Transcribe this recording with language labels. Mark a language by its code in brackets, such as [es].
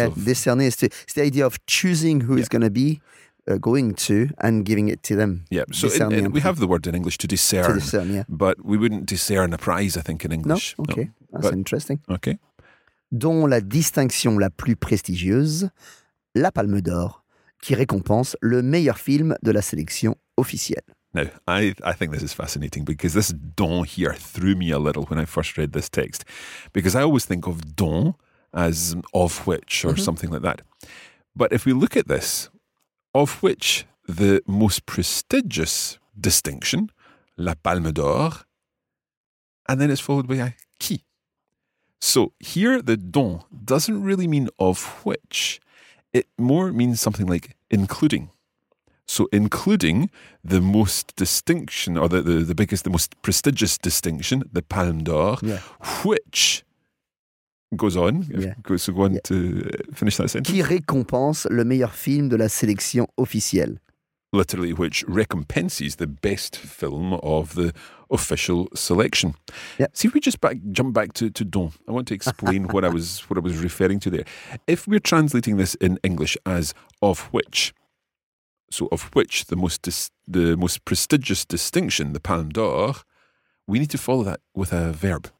[en] Yeah, décerner is it's the idea of choosing who is going to be going to and giving it to them. Yeah, so we have the word in English to discern. But we wouldn't discern a prize, I think, in English. No, okay. That's interesting. Okay. [fr] Dont la distinction la plus prestigieuse, la Palme d'Or, qui récompense le meilleur film de la sélection officielle. [en] Now, I think this is fascinating because this don here threw me a little when I first read this text. Because I always think of don as of which or something like that. But if we look at this, of which the most prestigious distinction, la Palme d'Or, and then it's followed by a qui. So here the don doesn't really mean of which. It more means something like including. So including the most distinction or the biggest, the most prestigious distinction, the Palme d'Or, which goes on. Yeah. So go on to finish that sentence. [fr] Qui récompense le meilleur film de la sélection officielle. [en] Literally, which recompenses the best film of the official selection. Yep. See, if we just jump back to don, I want to explain what I was referring to there. If we're translating this in English as of which, so of which the most prestigious distinction, the Palme d'Or, we need to follow that with a verb.